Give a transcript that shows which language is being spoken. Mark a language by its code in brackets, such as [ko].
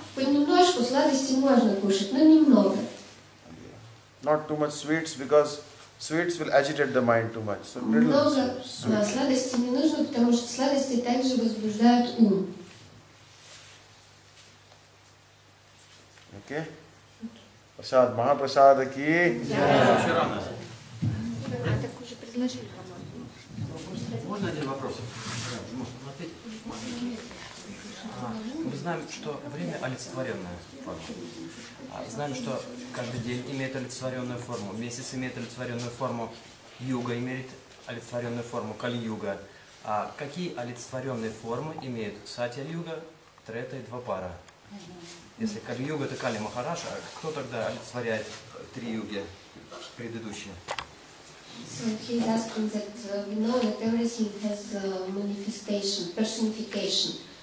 [ru] Понемножку сладостей можно кушать, но немного. [en] Not too much sweets because sweets will agitate the mind too much. So little sweets. [ru] Сладостей не нужно, потому что сладости также возбуждают ум. Okay. Прасад, Махапрасад ки. Так уже предложили, по-моему. Можно один вопрос? Мы знаем, что время олицетворенное. Знаем, что каждый день имеет олицетворенную форму. Месяц имеет олицетворенную форму. Юга имеет олицетворенную форму. Кали-юга. А какие олицетворенные формы имеют Сатья-юга, Трета и Двапара? Если Кали-юга это Кали Махараш, а кто тогда олицетворяет три юги предыдущие? [en] So he is asking that we know that everything has a manifestation, personification.